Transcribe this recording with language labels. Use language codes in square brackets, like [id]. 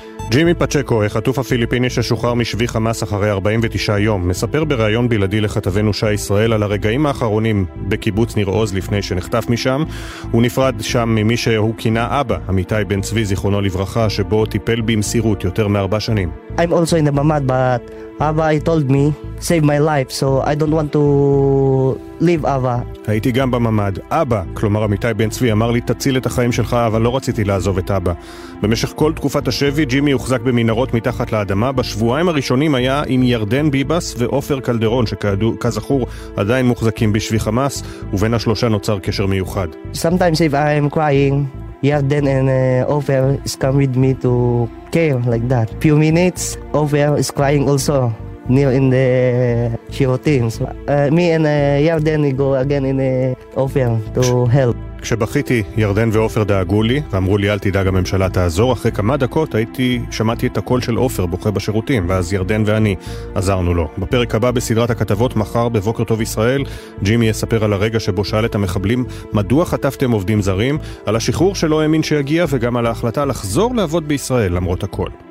[he] ג'ימי פצ'קו, החטוף הפיליפיני ששוחרר משבי חמאס אחרי 49 יום, מספר בריאיון בלעדי לכתבנו שי ישראל על הרגעים האחרונים בקיבוץ ניר עוז לפני שנחטף משם. הוא נפרד שם ממי שהוא כינה אבא, אמיתי בן צבי זיכרונו לברכה, שבו טיפל במסירות יותר מ-4 שנים. [en] I'm also in the Mamad, but Abba told me, save my life, so I don't want to leave אבא. [he] הייתי גם בממד. אבא, כלומר עמיתי בן צבי, אמר לי תציל את החיים שלך, אבל לא רציתי לעזוב את אבא. במשך כל תקופת השבי, ג'ימי הוחזק במנהרות מתחת לאדמה. בשבועיים הראשונים היה עם ירדן ביבס ואופר קלדרון, שכזכור עדיין מוחזקים בשבי חמאס, ובין השלושה נוצר קשר מיוחד. [en] Sometimes if I am crying, ירדן and אופר is come with me to care like that. Few minutes, אופר is crying also. near in the שירותים. Me and ירדן go again in אופר to help. [he] כשבכיתי, ירדן ואופר דאגו לי, ואמרו לי, אל תדאג, הממשלה תעזור. אחרי כמה דקות שמעתי את הקול של אופר בוכה בשירותים, ואז ירדן ואני עזרנו לו. בפרק הבא בסדרת הכתבות מחר בבוקר טוב ישראל, ג'ימי יספר על הרגע שבו שאל את המחבלים מדוע חטפתם עובדים זרים, על השחרור שלא האמין שיגיע, וגם על ההחלטה לחזור לעבוד בישראל למרות הכל.